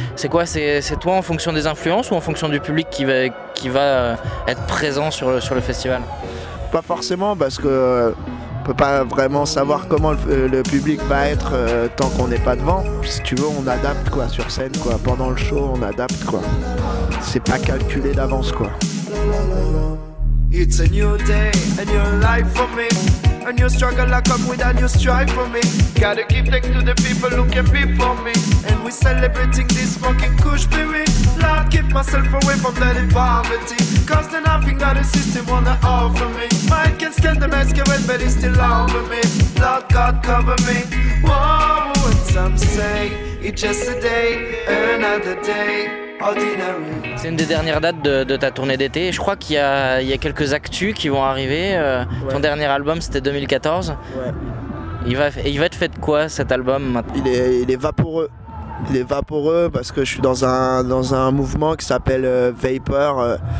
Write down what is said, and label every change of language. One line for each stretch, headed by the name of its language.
French: C'est quoi, c'est toi en fonction des influences ou en fonction du public qui va être présent sur le festival? Pas forcément, parce que... On peut pas vraiment savoir comment le public va être tant qu'on n'est pas devant. Si tu veux, on adapte quoi sur scène quoi. Pendant le show, on adapte quoi. C'est pas calculé d'avance quoi.
English: It's a new day, a new life for me. A new struggle, I come with a new strive for me. Gotta give thanks to the people who can be for me. And we celebrating this fucking cool spirit. Lord, keep myself away from that poverty. Cause there's nothing that the system wanna offer me. Mind can scan the masquerade, but it's still over me. Lord, God, cover me. Whoa, what some say, it's just a day, another day.
French: C'est une des dernières dates de ta tournée d'été. Je crois qu'il y a quelques actus qui vont arriver. Ouais. Ton dernier album, c'était 2014. Ouais. Il va être fait de quoi cet album maintenant? Il est vaporeux. Il est vaporeux parce que je suis dans un mouvement qui s'appelle Vapor.